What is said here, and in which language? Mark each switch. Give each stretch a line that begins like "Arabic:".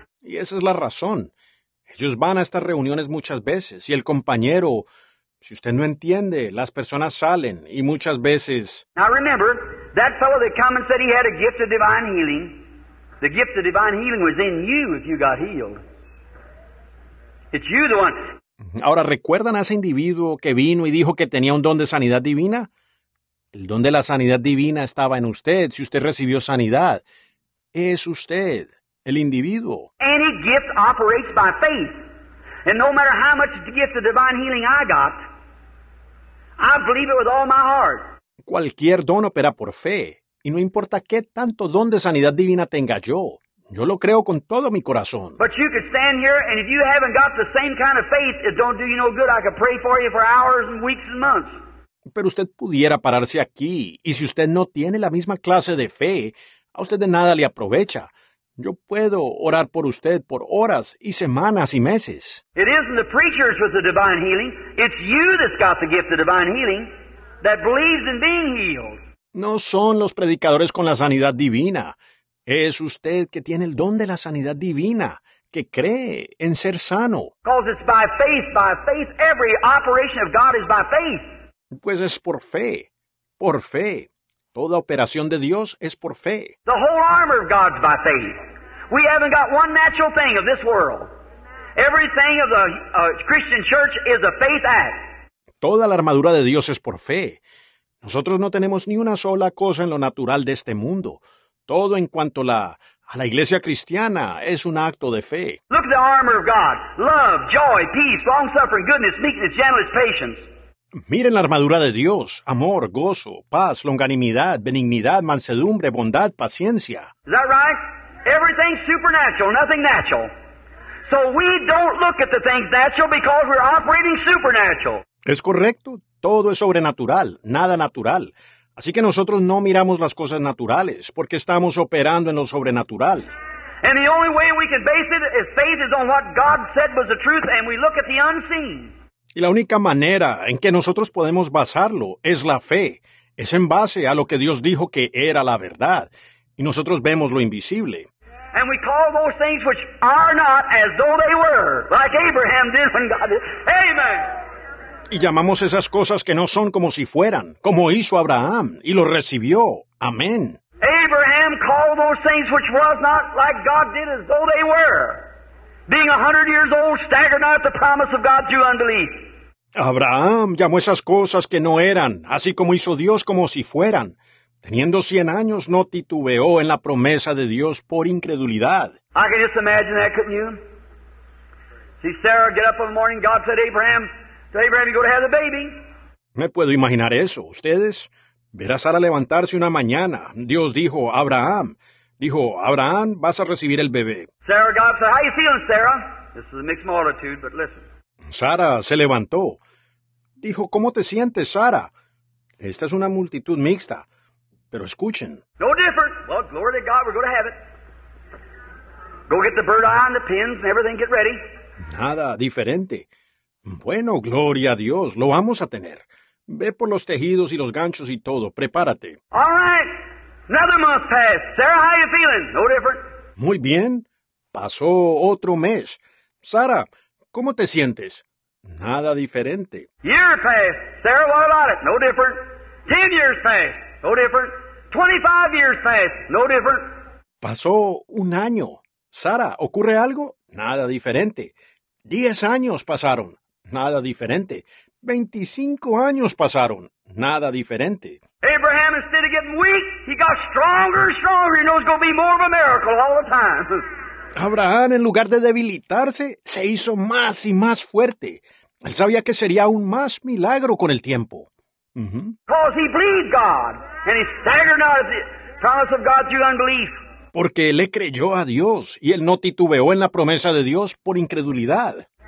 Spanish: Y esa es la razón. Ellos van a estas reuniones muchas veces y el compañero, Si usted no entiende, las personas salen y muchas veces...
English: Now remember, that fellow that came and said he had a gift of divine healing, the gift of divine healing was in you if you got healed. It's you the one.
Spanish: Ahora, ¿recuerdan a ese individuo que vino y dijo que tenía un don de sanidad divina? El don de la sanidad divina estaba en usted. Si usted recibió sanidad, es usted, el individuo.
English: Any gift operates by faith. And no matter how much gift of divine healing I got, I believe it with all my heart.
Spanish: Cualquier don opera por fe. Y no importa qué tanto don de sanidad divina tenga yo. Yo lo creo con todo mi corazón.
English: But you could stand here, and if you haven't got the same kind of faith, it don't do you no good. I could pray for you for hours and weeks and months.
Spanish: Pero usted pudiera pararse aquí, y si usted no tiene la misma clase de fe, a usted de nada le aprovecha. Yo puedo orar por usted por horas y semanas y meses.
English: It isn't the preachers with the divine healing. It's you that's got the gift of divine healing that believes in being healed.
Spanish: No son los predicadores con la sanidad divina. Es usted que tiene el don de la sanidad divina, que cree en ser sano.
English: Because it's by faith, every operation of God is by faith.
Spanish: Pues es por fe, por fe. Toda operación de Dios es por fe.
English: The whole armor of God's by faith. We haven't got one natural thing of this world. Everything of the Christian church is a faith act.
Spanish: Toda la armadura de Dios es por fe. Nosotros no tenemos ni una sola cosa en lo natural de este mundo. Todo en cuanto a la iglesia cristiana es un acto de fe.
English: Look at the armor of God. Love, joy, peace, long-suffering, goodness, meekness, gentleness, patience.
Spanish: Miren la armadura de Dios. Amor, gozo, paz, longanimidad, benignidad, mansedumbre, bondad, paciencia.
English: Is that right? Everything's supernatural, nothing natural. So we don't look at the things natural because we're operating supernatural.
Spanish: Es correcto. Todo es sobrenatural, nada natural. Así que nosotros no miramos las cosas naturales porque estamos operando en lo sobrenatural.
English: And the only way we can base it is faith is on what God said was the truth and we look at the unseen.
Spanish: Y la única manera en que nosotros podemos basarlo es la fe. Es en base a lo que Dios dijo que era la verdad. Y nosotros vemos lo invisible.
English: And we call those things which are not as though they were, like Abraham did when God did. Amen.
Spanish: Y llamamos esas cosas que no son como si fueran, como hizo Abraham, y lo recibió. Amén.
English: Abraham called those things which was not like God did as though they were. Being 100 years old, staggered not at the promise of God through unbelief.
Spanish: Abraham llamó esas cosas que no eran, así como hizo Dios como si fueran. Teniendo 100 años, no titubeó en la promesa de Dios por incredulidad.
English: I can just imagine that, couldn't you? See, Sarah, get up in the morning, God said, Abraham, tell Abraham you're going to have the baby.
Spanish: Me puedo imaginar eso. Ustedes, ver a Sara levantarse una mañana. Dios dijo, Abraham. Dijo, Abraham, vas a recibir el bebé.
English: Sarah, God said, how you feeling, Sarah? This is a mixed multitude, but listen.
Spanish: Sara se levantó. Dijo, ¿cómo te sientes, Sara? Esta es una multitud mixta, pero escuchen.
English: No different. Well, glory to God, we're going to have it. Go get the bird eye and the pins and everything, get ready.
Spanish: Nada diferente. Bueno, gloria a Dios, lo vamos a tener. Ve por los tejidos y los ganchos y todo, prepárate.
English: All right. Another month passed. Sarah, how you feeling? No different.
Spanish: Muy bien. Pasó otro mes. Sara, ¿cómo te sientes? Nada diferente.
English: Year passed. Sarah, what about it? No different. 10 years passed. No different. 25 years passed. No different.
Spanish: Pasó un año. Sara, ¿ocurre algo? Nada diferente. 10 años pasaron. Nada diferente. 25 años pasaron. Nada diferente.
English: Abraham, instead of getting weak, he got stronger and stronger. He knows it's going to be more of a miracle all the time.
Spanish: Abraham, en lugar de debilitarse, se hizo más y más fuerte. Él sabía que sería aún más milagro con el tiempo.
English: Because he believed God, and he staggered not at the promise of God through unbelief.
Spanish: Porque le creyó a Dios, y él no titubeó en la promesa de Dios por incredulidad.